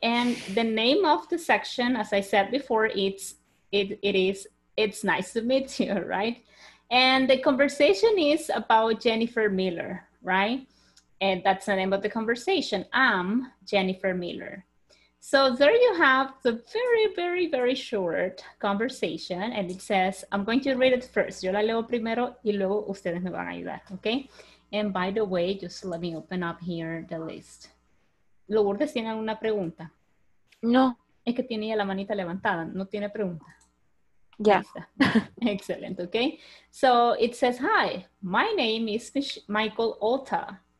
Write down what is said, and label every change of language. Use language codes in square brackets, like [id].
[en] And the name of the section, as I said before, it's nice to meet you, right? And the conversation is about Jennifer Miller, right? And that's the name of the conversation. I'm Jennifer Miller. So there you have the very, very, very short conversation. And it says, I'm going to read it first. [es] Yo la leo primero y luego ustedes me van a ayudar, okay? [en] And by the way, just let me open up here the list. [es] ¿Lourdes tiene alguna pregunta? No. Es que tiene ya la manita levantada. No tiene pregunta. Ya. [en] Yeah. Excelente, okay. So it says, hi, my name is Michael Olta.